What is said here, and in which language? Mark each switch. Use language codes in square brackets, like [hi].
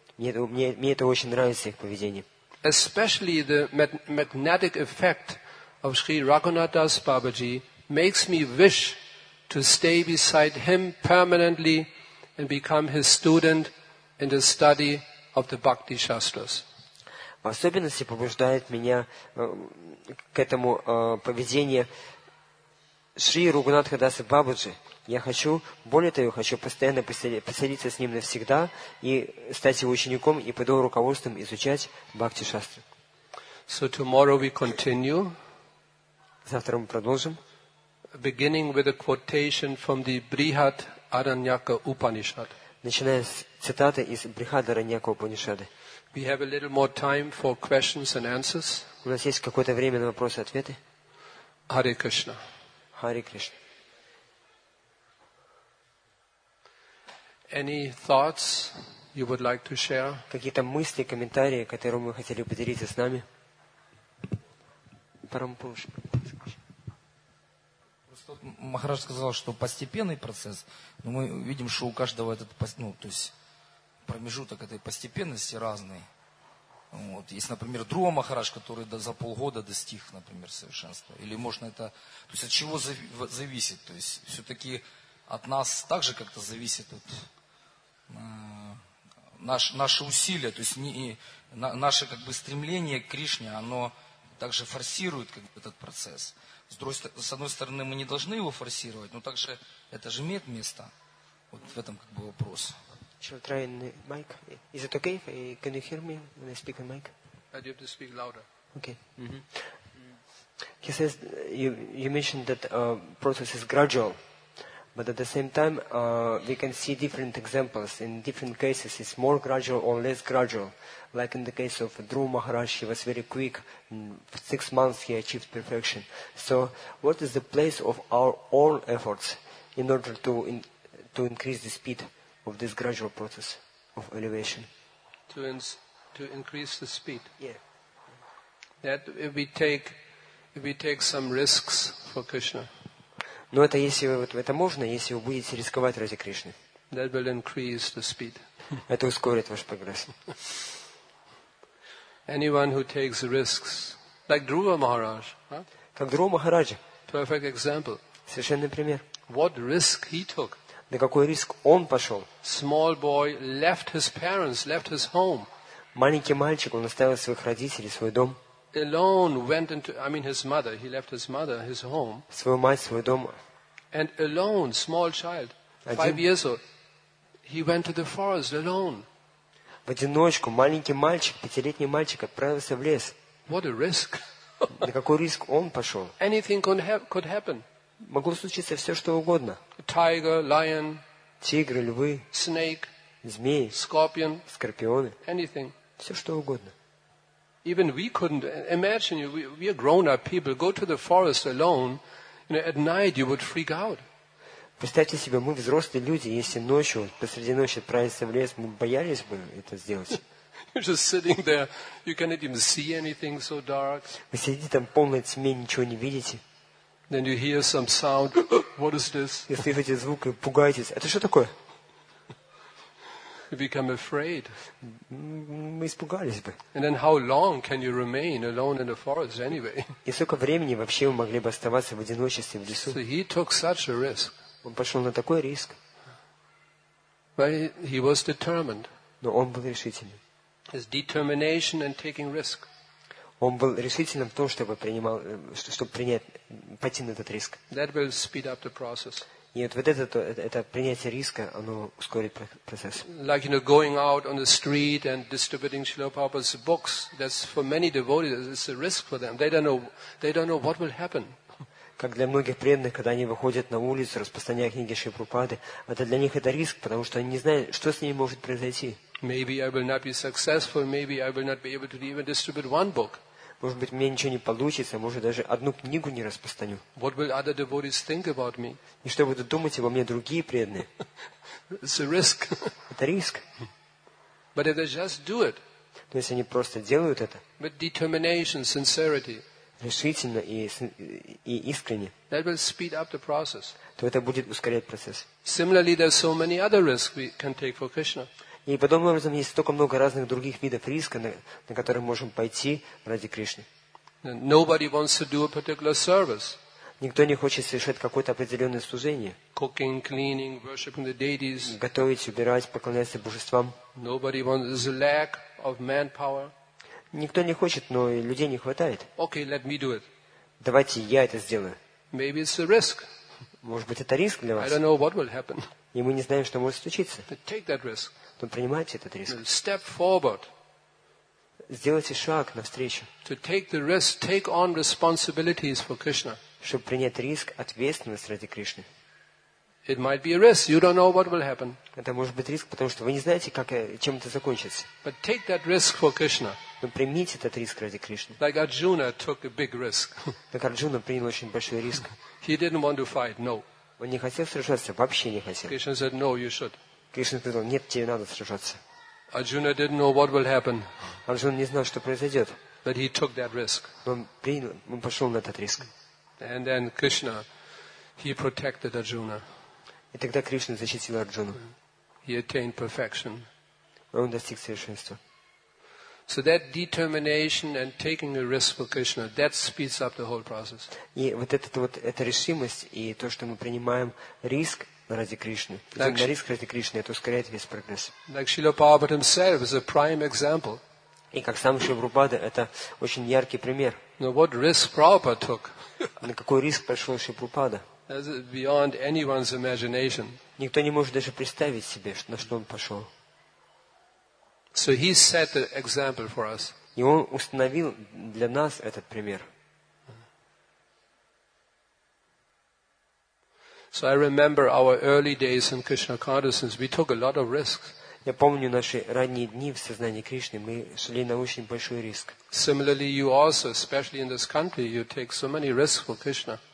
[ru] Мне это очень нравится, их поведение. [en] Especially the magnetic effect of Sri Raghunathas Babaji makes me wish to stay beside him permanently and become his student in the study of the Bhakti Shastras. [ru] В особенности побуждает меня к этому поведение Шри Рагунатхадаса Бабаджи. Я хочу, более того, хочу постоянно поселиться с ним навсегда и стать его учеником и под его руководством изучать Бхакти Шастры. [en] So tomorrow we continue. [ru] Завтра мы продолжим. [en] Beginning with a quotation from the Brihat Aranyaka Upanishad. [ru] Начиная с цитаты из Брихат Араньяка Упанишады. [en] We have a little more time for questions and answers. [ru] У нас есть какое-то время на вопросы и ответы. [en] Hare Krishna. Hare Krishna. Any thoughts you would like to share? [ru] Какие-то мысли, комментарии, которые мы хотели бы поделиться с нами? Парампуш. Просто Махарадж сказал, что постепенный процесс, но мы видим, что у каждого этот, ну, то есть промежуток этой постепенности разный. Вот. Есть, например, Друа Махарадж, который за полгода достиг, например, совершенства. Или можно это... То есть от чего зависит? То есть все-таки от нас также как-то зависит от, наши усилия. То есть наше как бы стремление к Кришне, оно также форсирует как бы, этот процесс. С одной стороны, мы не должны его форсировать, но также это же имеет место. Вот в этом как бы вопрос. [en] Shall I try and mic? Is it okay? Can you hear me when I speak in mic? I have to speak louder. Okay. Mm-hmm. He says, you mentioned that process is gradual, but at the same time, we can see different examples. In different cases, it's more gradual or less gradual. Like in the case of Dhruva Maharaj, he was very quick. In 6 months, he achieved perfection. So what is the place of our own efforts in order to increase the speed of this gradual process of elevation? To increase the speed? Yeah. That if we take some risks for Krishna. [ru] Но это если вот это можно, если вы будете рисковать ради Кришны. [en] That will increase the speed. [ru] Это ускорит ваш прогресс. [en] Anyone who takes risks, like Dhruva Maharaj, [ru] Как Dhruva Maharaj. [en] Perfect example. [ru] Совершенный пример. [en] What risk he took? [ru] На какой риск он пошел? [en] Small boy left his parents, left his home. [ru] Маленький мальчик, он оставил своих родителей, свой дом. [en] Alone went into, I mean his mother, he left his mother, his home. [ru] Свою мать, свой дом. [en] And alone, small child, 5 years old, he went to the forest alone. [ru] В одиночку, маленький мальчик, 5-летний мальчик отправился в лес. [en] What a risk. [ru] На какой риск он пошел? [en] Anything could happen. [ru] Могло случиться все, что угодно. [en] Tiger, lion, [ru] тигры, львы, [en] snake, [ru] змеи, [en] scorpion, [ru] скорпионы, [en] anything. [ru] Все, что угодно. [en] Even we couldn't imagine you. We are grown-up people. Go to the forest alone. You know, at night you would freak out. [ru] Представьте себе, мы взрослые люди, если ночью, посреди ночи отправиться в лес, мы боялись бы это сделать. [en] You're just sitting there. You cannot even see anything so dark. [ru] Вы сидите там полной тьме, ничего не видите. [en] Then you hear some sound. What is this? [ru] Вы слышите звук и пугаетесь. Это что такое? [en] You become afraid. [ru] Мы испугались бы. [en] And then how long can you remain alone in the forest anyway? [ru] И сколько времени вообще вы могли бы оставаться в одиночестве в лесу? [en] So he took such a risk. [ru] Он пошел на такой риск. [en] But he was determined. [ru] Но он был решительным. [en] His determination and taking risk. [ru] Он был решительным в том, чтобы принять, пойти на этот риск. [en] That will speed up the process. [ru] И вот это принятие риска, оно ускорит процесс. [en] Like, you know, going out on the street and distributing Srila Prabhupada's books, that's for many devotees, it's a risk for them. They don't know what will happen. [ru] Как для многих преданных, когда они выходят на улицу, распространяя книги Шри Прабхупады, это для них это риск, потому что они не знают, что с ними может произойти. [en] Maybe I will not be successful. Maybe I will not be able to even distribute one book. [ru] Может быть, мне ничего не получится. Может, даже одну книгу не распространю. [en] What will other devotees think about me? [ru] И что будут думать обо мне другие преданные? [en] It's a risk. [ru] Это риск. [en] But if they just do it. [ru] Но если они просто делают это. [en] With determination, sincerity. [ru] Решительно и искренне. [en] That will speed up the process. [ru] То это будет ускорять процесс. [en] Similarly, there are so many other risks we can take for Krishna. [ru] И подобным образом есть столько много разных других видов риска, на которые можем пойти ради Кришны. [en] Nobody wants to do a particular service. [ru] Никто не хочет совершать какое-то определенное служение. [en] Cooking, cleaning, worshiping the deities. [ru] Готовить, убирать, поклоняться божествам. [en] Nobody wants a lack of manpower. [ru] Никто не хочет, но и людей не хватает. [en] Okay, let me do it. [ru] Давайте я это сделаю. [en] Maybe it's a risk. [ru] Может быть, это риск для вас. [en] I don't know what will happen. [ru] И мы не знаем, что может случиться. [en] But take that risk. [ru] Но принимайте этот риск. [en] Step forward. [ru] Сделайте шаг навстречу. [en] To take the risk, take on responsibilities for Krishna. [ru] Чтобы принять риск, ответственность ради Кришны. [en] It might be a risk. You don't know what will happen. [ru] Это может быть риск, потому что вы не знаете, как, чем это закончится. [en] But take that risk for Krishna. [ru] Но примите этот риск ради Кришны. [en] Like Arjuna took a big risk. [ru] Как Арджуна принял очень большой риск. [en] He didn't want to fight. No. [ru] Он не хотел сражаться, вообще не хотел. [en] Krishna said, no, you should. [ru] Кришна сказал, нет, тебе надо сражаться. [en] Arjuna didn't know what will happen. [ru] Арджуна не знал, что произойдет. [en] But he took that risk. [ru] Он пошел на этот риск. [en] And then Krishna, he protected Arjuna. [ru] И тогда Кришна защитил Арджуну. [en] He attained perfection. [ru] он достиг совершенства. [en] So that determination and taking a risk for Krishna, that speeds up the whole process. [ru] И вот этот вот эта решимость и то, что мы принимаем риск ради Кришны, идем на риск ради Кришны, это ускоряет весь прогресс. [en] Like Srila Prabhupada himself is a prime example. [ru] И как сам Шрила Прабхупада, это очень яркий пример. [en] Now what risk Prabhupada took? [ru] На какой риск пошел Шрила Прабхупада? [en] That's beyond anyone's imagination. [ru] Никто не может даже представить себе, на что он пошел. [en] So he set the example for us. [ru] И он установил для нас этот пример. [en] So I remember our early days in Krishna consciousness. We took a lot of risks. [ru] Я помню наши ранние дни в сознании Кришны. Мы шли на очень большой риск. [en] Similarly, you also, especially in this country, you take so many risks for Krishna.